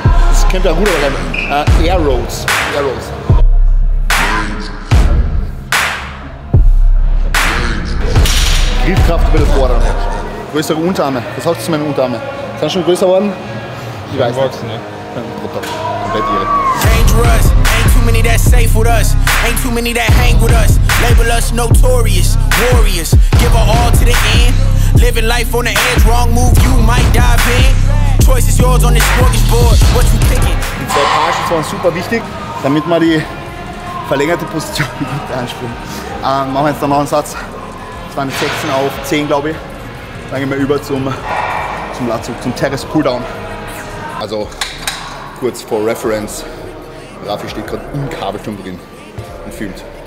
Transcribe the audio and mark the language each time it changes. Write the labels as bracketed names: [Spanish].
[German] Das kennt ihr ja gut, oder? Air Roads. Griffkraft über das Vorderen. Größere Unterarme. Was hast du zu meinen Unterarmen? Sind schon größer geworden? Ich weiß nicht. Ja. komplett irre. [English] Dangerous. Ain't too many that safe with us. Ain't too many that hang with us. Label us notorious warriors. Give her all to the end. Living life on the edge. Wrong move, you might dive in. Choice is yours on this mortgage board. What you picking? [German] Die zwei Pagen waren super wichtig, damit man die verlängerte Position gut anspringt. Machen wir jetzt noch einen Satz. Das waren 16 auf 10, glaube ich. Dann gehen wir über zum Latzug, zum Terrace Pulldown. Also kurz [English] for reference. [German] Rafi steht gerade im Kabelturm drin und filmt.